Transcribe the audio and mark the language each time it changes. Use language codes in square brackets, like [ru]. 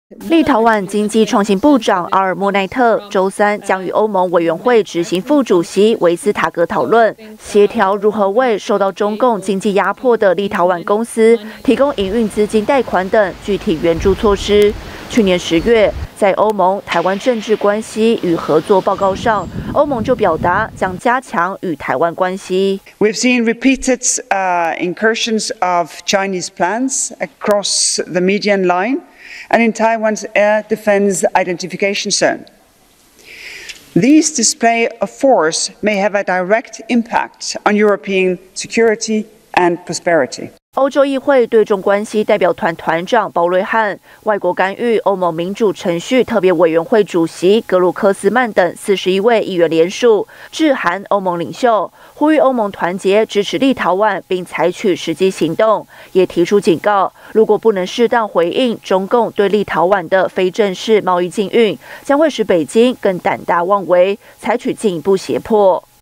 [zh] 立陶宛经济创新部长阿尔莫奈特周三将与欧盟委员会执行副主席维斯塔格讨论，协调如何为受到中共经济压迫的立陶宛公司提供营运资金贷款等具体援助措施。去年10月，在欧盟台湾政治关系与合作报告上，欧盟就表达将加强与台湾关系。 [en] We've seen repeated incursions of Chinese plans across the median line and in Taiwan's air defense identification zone. These display of force may have a direct impact on European security and prosperity. [zh] 欧洲议会对中关系代表团团长鲍瑞汉、外国干预欧盟民主程序特别委员会主席格鲁克斯曼等41位议员联署，致函欧盟领袖，呼吁欧盟团结支持立陶宛，并采取实际行动，也提出警告，如果不能适当回应中共对立陶宛的非正式贸易禁运，将会使北京更胆大妄为，采取进一步胁迫。